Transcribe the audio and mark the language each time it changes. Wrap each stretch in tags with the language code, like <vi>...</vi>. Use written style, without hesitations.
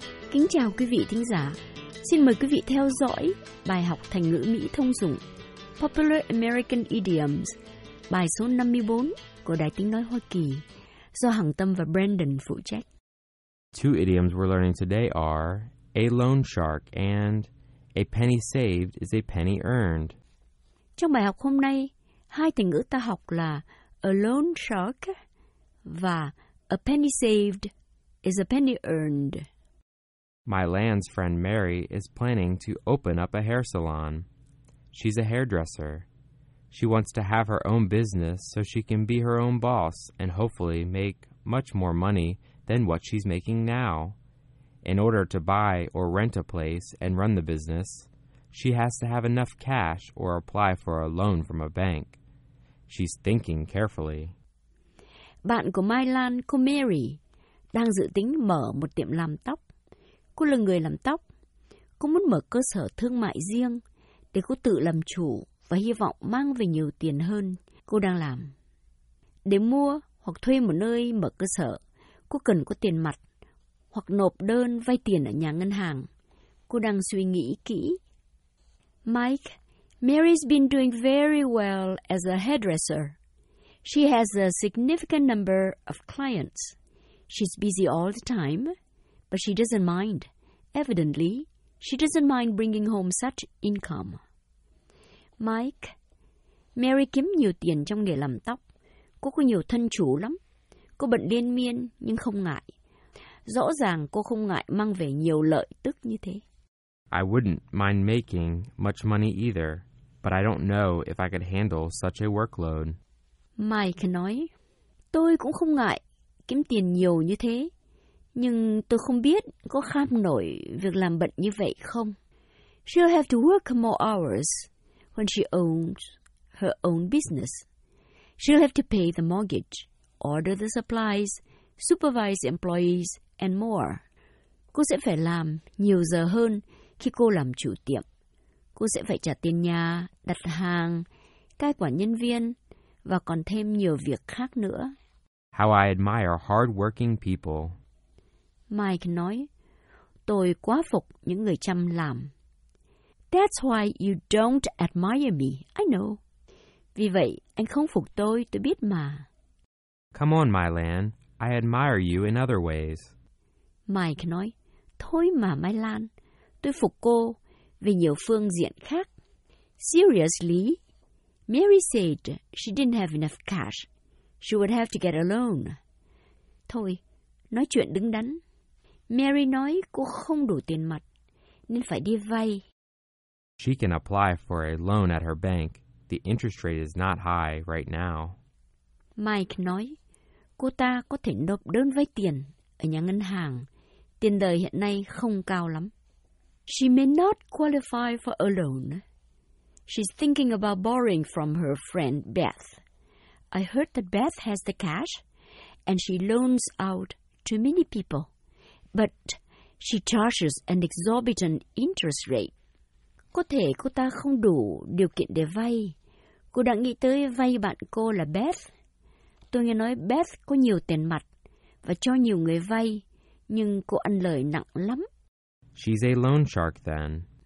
<vi>Kính chào quý vị thính giả. Xin mời quý vị theo dõi bài học thành ngữ Mỹ thông dụng Popular American Idioms, bài số 54 của Đài Tiếng Nói Hoa Kỳ, do Hằng Tâm và Brandon phụ trách.</vi> <en>Two idioms we're learning today are a loan shark and a penny saved is a penny earned.</en> <vi>Trong bài học hôm nay, hai thành ngữ ta học là a loan shark và</vi> <en>a penny saved is a penny earned. My land's friend Mary is planning to open up a hair salon. She's a hairdresser. She wants to have her own business so she can be her own boss and hopefully make much more money than what she's making now. In order to buy or rent a place and run the business, she has to have enough cash or apply for a loan from a bank. She's thinking carefully.</en> <vi>Bạn của Mai Lan, cô Mary, đang dự tính mở một tiệm làm tóc. Cô là người làm tóc. Cô muốn mở cơ sở thương mại riêng để cô tự làm chủ và hy vọng mang về nhiều tiền hơn cô đang làm. Để mua hoặc thuê một nơi mở cơ sở, cô cần có tiền mặt hoặc nộp đơn vay tiền ở nhà ngân hàng. Cô đang suy nghĩ kỹ.</vi> <en>Mike, Mary's been doing very well as a hairdresser. She has a significant number of clients. She's busy all the time, but she doesn't mind. Evidently, she doesn't mind bringing home such income.</en> <vi>Mike, Mary kiếm nhiều tiền trong nghề làm tóc. Cô có nhiều thân chủ lắm. Cô bận liên miên nhưng không ngại. Rõ ràng cô không ngại mang về nhiều lợi tức như thế.</vi> <en>I wouldn't mind making much money either, but I don't know if I could handle such a workload.</en> <vi>Mike nói, tôi cũng không ngại kiếm tiền nhiều như thế, nhưng tôi không biết có kham nổi việc làm bận như vậy không.</vi> <en>She'll have to work more hours when she owns her own business. She'll have to pay the mortgage, order the supplies, supervise employees, and more.</en> <vi>Cô sẽ phải làm nhiều giờ hơn khi cô làm chủ tiệm. Cô sẽ phải trả tiền nhà, đặt hàng, cai quản nhân viên, và còn thêm nhiều việc khác nữa.</vi> <en>How I admire hard-working people.</en> <vi>Mike nói, tôi quá phục những người chăm làm.</vi> <en>That's why you don't admire me, I know.</en> <vi>Vì vậy, anh không phục tôi biết mà.</vi> <en>Come on, Mylan, I admire you in other ways.</en> <vi>Mike nói, thôi mà, Mylan, tôi phục cô vì nhiều phương diện khác.</vi> <en>Seriously, Mary said she didn't have enough cash. She would have to get a loan.</en> <vi>Thôi, nói chuyện đứng đắn. Mary nói cô không đủ tiền mặt, nên phải đi vay.</vi> <en>She can apply for a loan at her bank. The interest rate is not high right now.</en> <vi>Mike nói, cô ta có thể nộp đơn vay tiền ở nhà ngân hàng. Tiền đời hiện nay không cao lắm.</vi> <en>She may not qualify for a loan. She's thinking about borrowing from her friend Beth. I heard that Beth has the cash, and she loans out to many people. But she charges an exorbitant interest rate.</en> <vi>Có thể cô ta không đủ điều kiện để vay. Cô đã nghĩ tới vay bạn cô là Beth. Tôi nghe nói Beth có nhiều tiền mặt và cho nhiều người vay, nhưng cô ăn lời nặng lắm.</vi> <en>She's a loan shark then.</en>